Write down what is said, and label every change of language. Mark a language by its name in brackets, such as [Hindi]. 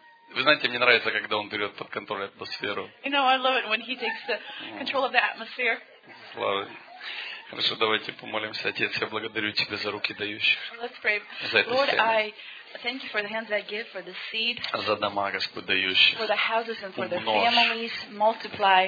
[Russian] Вы знаете, мне нравится, когда он берет под контроль атмосферу. [English] You know, I love it when he takes the control of the atmosphere. [Russian] Слава. Хорошо, давайте помолимся. Отец, я благодарю тебя за руки дающих. [English] Let's pray. [Russian] За это [English] Lord, [Russian] семя. [English] I thank you for the hands that I give, for the seed. [Russian] За дома, Господь, дающих. [English] For the houses and for the families, multiply.